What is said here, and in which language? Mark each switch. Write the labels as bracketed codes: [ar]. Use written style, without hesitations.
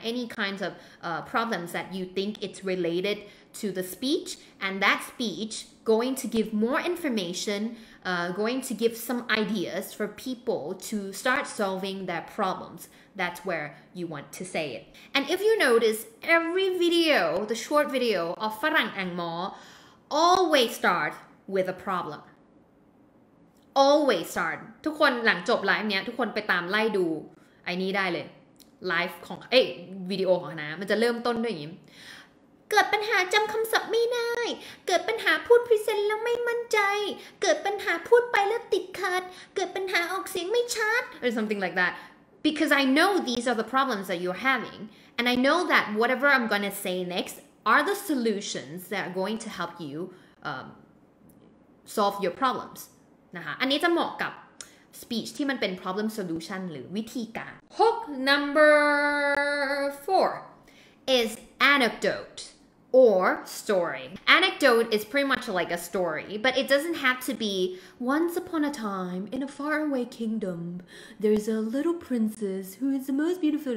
[en] Any kinds of problems that you think it's related to the speech and that speechGoing to give more information, going to give some ideas for people to start solving their problems. That's where you want to say it. And if you notice, every video, the short video of Farang Ang Mo, always start with a problem. Always start. [th] ทุกคนหลังจบไลฟ์เนี้ยทุกคนไปตามไล่ดูไอ้นี้ได้เลยไลฟ์ของวิดีโอของนะมันจะเริ่มต้นด้วยอย่างนี้ เกิดปัญหาจำคำศัพท์ไม่ได้เกิดปัญหาพูดพรีเซนต์แล้วไม่มั่นใจเกิดปัญหาพูดไปแล้วติดขัดเกิดปัญหาออกเสียงไม่ชัด [en] or something like that because I know these are the problems that you're having and I know that whatever I'm gonna say next are the solutions that are going to help you solve your problems [th] นะคะอันนี้จะเหมาะกับ speech ที่มันเป็น problem solution หรือวิธีการ [en] hook number 4is anecdote or story. Anecdote is pretty much like a story, but it doesn't have to be once upon a time in a faraway kingdom, there's a little princess who is the most beautiful.